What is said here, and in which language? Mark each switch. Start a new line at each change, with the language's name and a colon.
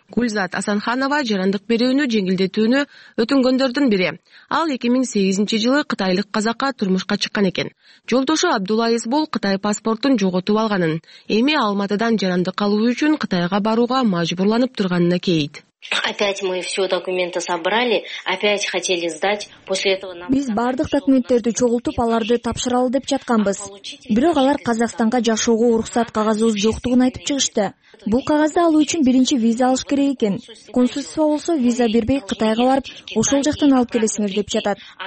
Kyrgyz: Гүлзат Асанханова жарандык берүүнү жеңилдетүүнү өтүнгөндөрдүн бири. Ал 2008-жылы кытайлык казакка турмушка чыккан экен. Жолдошу Абдулла Исбол Кытай паспортун жоготуп алганын, эми Алматыдан жарандык алуу үчүн Кытайга барууга мажбурланып турганына кейит.
Russian: Опять мы все документы собрали, опять хотели сдать. После этого нам
Kyrgyz: Биз бардык документтерди чогултуп, аларды тапшыралы деп жатканбыз. Бирок алар Казакстанга жашоого уруксат кагазыбыз жоктугун айтып чыгышты. Бул кагазды алуу үчүн биринчи виза алыш керек экен. Консульство болсо виза бербей Кытайга барып, ошол жактан алып келесиңер деп жатат.